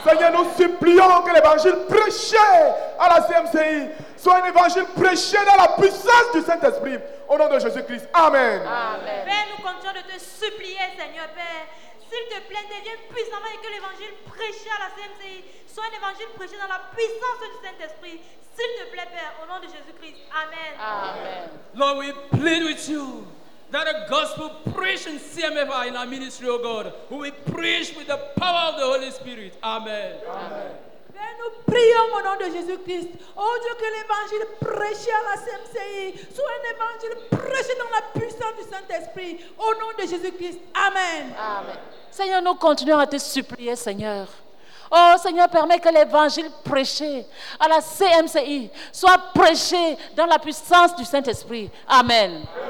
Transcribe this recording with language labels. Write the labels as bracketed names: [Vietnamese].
[French] Seigneur, nous supplions que l'évangile prêché à la CMCI soit un évangile prêché dans la puissance du Saint-Esprit, au nom de Jésus-Christ. Amen. Amen. Père, nous continuons de te supplier, Seigneur, Père. S'il te plaît, deviens puissamment et que l'évangile prêché à la CMCI soit un évangile prêché dans la puissance du Saint-Esprit. S'il te plaît, Père, au nom de Jésus-Christ. Amen. Amen. [English] Lord, we plead with you that the gospel preached in CMFI in our ministry, O God, who we preach with the power of the Holy Spirit. Amen. Amen. [French] Père, nous prions au nom de Jésus-Christ. Oh Dieu, que l'évangile prêché à la CMCI soit un évangile prêché dans la puissance du Saint-Esprit. Au nom de Jésus-Christ. Amen. Amen. Seigneur, nous continuons à te supplier, Seigneur. Oh Seigneur, permets que l'évangile prêché à la CMCI soit prêché dans la puissance du Saint-Esprit. Amen.